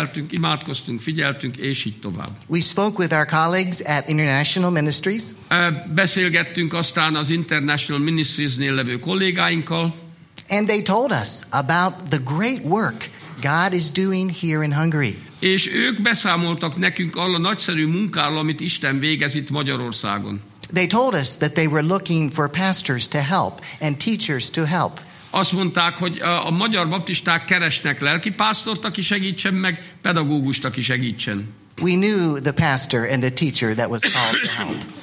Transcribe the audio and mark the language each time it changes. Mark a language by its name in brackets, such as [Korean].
[Hungarian] Imádkoztunk, figyeltünk, és így tovább. [English] We spoke with our colleagues at International Ministries. [Hungarian] Beszélgettünk aztán az International Ministries-nél levő kollégáinkkal. [English] And they told us about the great work God is doing here in Hungary. [Hungarian] És ők beszámoltak nekünk arról a nagyszerű munkáról, amit Isten végez itt Magyarországon. [English] They told us that they were looking for pastors to help and teachers to help. [Hungarian] Azt mondták, hogy a magyar baptisták keresnek lelki pásztort, aki segítsen, meg pedagógust, aki segítsen. [English] We knew the pastor and the teacher that was called to help.